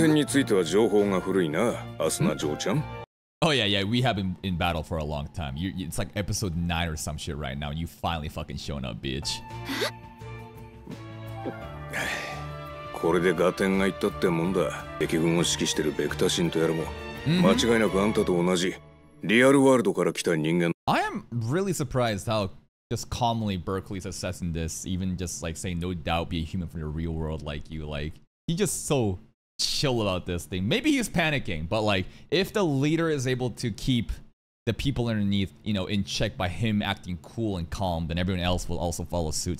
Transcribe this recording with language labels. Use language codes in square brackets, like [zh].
[ja] 敵はこの世界への干渉をやめるはず。この世界とそこに暮らす人々を見捨てて、リアルワールドとやらに。ありえません。最大にして唯一の使命なのです。ならなおのことだわ。もし敵、暗黒界は、この世界に暮らす人々も、大地も、空も、何もかもが消滅させられ。おっと、その点については情報が古いな、アスナ嬢ちゃん。 [en] Oh yeah, yeah, we haven't been in battle for a long time. It's like episode 9 or some shit right now. You finally fucking shown up, bitch. [ja] これでガテンが言ったってもんだ。敵軍を指揮してるベクタシンとやらも間違いなくあんたと同じリアルワールドから来た人間。 [en] I am really surprised how just calmly Berkeley's assessing this, even just like saying no doubt be a human from the real world like you. Like, he just so chill about this thing. Maybe he's panicking, but like, if the leader is able to keep the people underneath, you know, in check by him acting cool and calm, then everyone else will also follow suit.